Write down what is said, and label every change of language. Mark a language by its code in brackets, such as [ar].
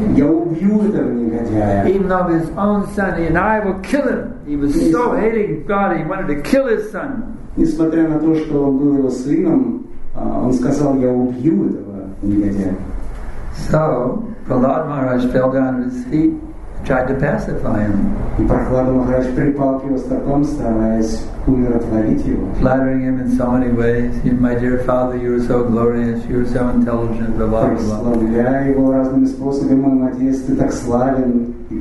[en] Even though his own son, and I will kill him. He was so hating God, he wanted to kill his son. [ru] Несмотря на то, что он был его сыном, он сказал, я убью этого негодяя. [en] So, Prahlad Maharaj fell down at his feet, tried to pacify him. [ru] И Прохлад Махарадж припал к его стопам, стараясь умиротворить его. [en] Flattering him in so many ways. My dear father, you are so glorious, you are so intelligent, blah, blah, blah. [ru] Прославляя его разными способами, мой отец, ты так славен.